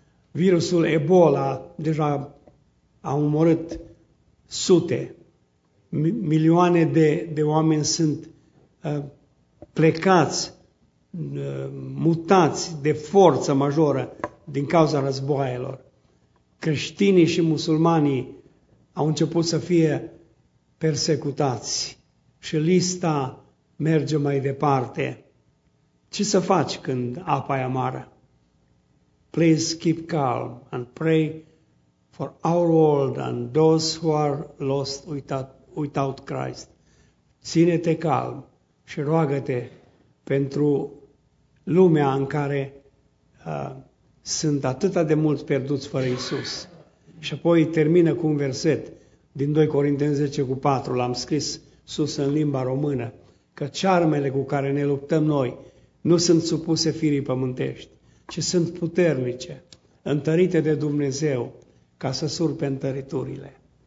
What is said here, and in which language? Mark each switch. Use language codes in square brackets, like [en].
[ro] Virusul Ebola deja a omorât sute, milioane de oameni sunt plecați, mutați de forță majoră din cauza războaielor. Creștinii și musulmanii au început să fie persecutați și lista merge mai departe. Ce să faci când apa e amară? [en] Please keep calm and pray for our world and those who are lost without Christ. [ro] Ține-te calm și roagă-te pentru lumea în care sunt atâta de mulți pierduți fără Iisus. Și apoi termină cu un verset din 2 Corinteni 10:4. L-am scris sus în limba română, că cearmele cu care ne luptăm noi nu sunt supuse firii pământești, ci sunt puternice, întărite de Dumnezeu ca să surpe întăriturile.